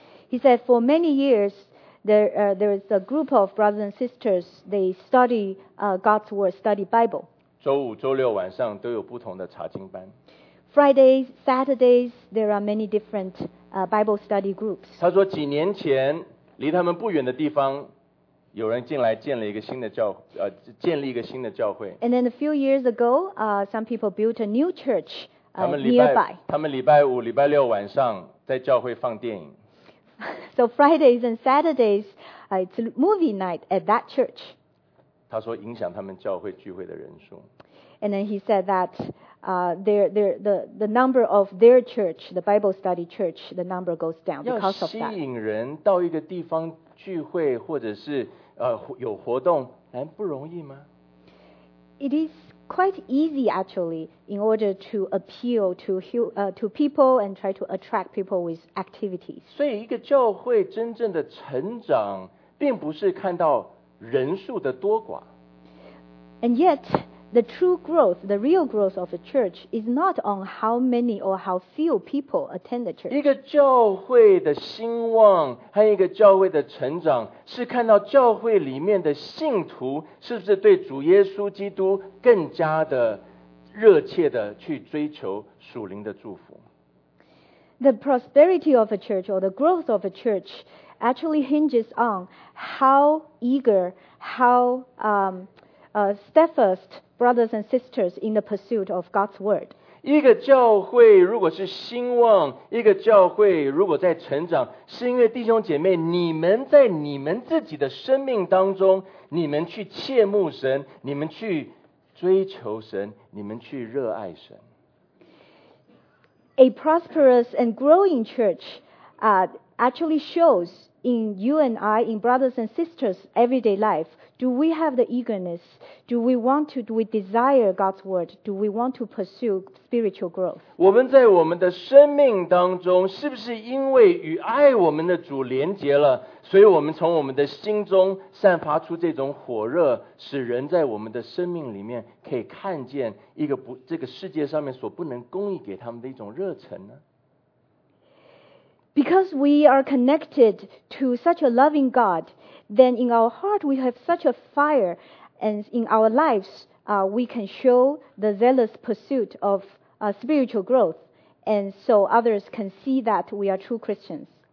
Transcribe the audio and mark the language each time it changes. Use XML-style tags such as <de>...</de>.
<en>He said for many years, there is a group of brothers and sisters, they study God's word, study Bible.</en> <zh>周五、周六晚上都有不同的查经班。</zh> <en>Fridays, Saturdays, there are many different Bible study groups.</en> <zh>他说几年前，离他们不远的地方，有人进来建了一个新的教，建立一个新的教会。</zh> <en>And then a few years ago, some people built a new church nearby.</en> <zh>他们礼拜五、礼拜六晚上在教会放电影。</zh> <en>So Fridays and Saturdays, it's movie night at that church.</en> <zh>他说影响他们教会聚会的人数。</zh> <en>And then he said that the number of their church, the Bible study church, the number goes down because of that.</en> <zh>要吸引人到一个地方聚会或者是有活动，难不容易吗？</zh> <en>It is quite easy actually in order to appeal to people and try to attract people with activities.</en> <zh>所以一个教会真正的成长并不是看到人数的多寡。</zh> <en>And yet, the true growth, the real growth of a church is not on how many or how few people attend the church.</en> <zh>一个教会的兴旺和一个教会的成长是看到教会里面的信徒是不是对主耶稣基督更加的热切的去追求属灵的祝福。</zh> <en>The prosperity of a church or the growth of a churchactually hinges on how eager, how steadfast brothers and sisters in the pursuit of God's word.</en> <zh>一个教会如果是兴旺，一个教会如果在成长，是因为弟兄姐妹，你们在你们自己的生命当中，你们去切慕神，你们去追求神，你们去热爱神。</zh> <en>A prosperous and growing church actually shows in you and I, in brothers and sisters' everyday life, do we have the eagerness? Do we want to, do we desire God's word? Do we want to pursue spiritual growth?</en> <zh>我们在我们的生命当中，是不是因为与爱我们的主连结了，所以我们从我们的心中散发出这种火热，使人在我们的生命里面可以看见一个不，这个世界上面所不能供应给他们的一种热忱呢？</zh> <en>Because we are connected to such a loving God, then in our heart we have such a fire, and in our lives we can show the zealous pursuit of spiritual growth, and so others can see that we are true Christians.</en>